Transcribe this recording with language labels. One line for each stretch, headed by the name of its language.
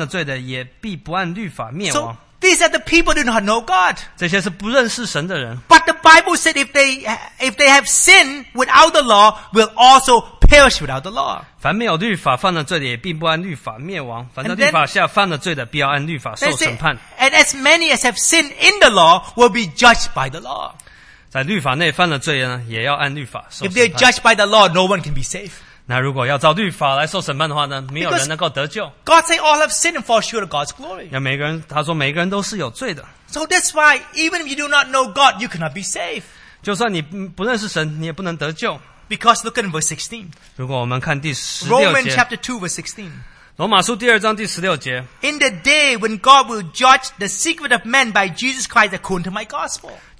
Chinese: 罗马书第二章第十二节，凡没有律法犯的罪的，也必不按律法灭亡。
English: These are the people who do not know God.
Chinese: 这些是不认识神的人。
English: But the Bible said if they have sinned without the law, will also perish without the law.
Chinese: 凡没有律法犯的罪的，也并不按律法灭亡。凡在律法下犯的罪的，必要按律法受审判。
English: And as many as have sinned in the law will be judged by the law.
Chinese: 在律法内犯的罪呢，也要按律法受审判。
English: If they are judged by the law, no one can be saved.
Chinese: 那如果要照律法来受审判的话呢，没有人能够得救。
English: God say all have sinned and fall short of God's glory.
Chinese: 那每个人，他说每个人都是有罪的。
English: So that's why even if you do not know God, you cannot be saved.
Chinese: 就算你不认识神，你也不能得救。
English: Because look at verse 16.
Chinese: 如果我们看第十六节。Romans
English: chapter 2 verse 16.
Chinese: 罗马书第二章第十六节。
English: In the day when God will judge the secret of man by Jesus Christ according to my gospel.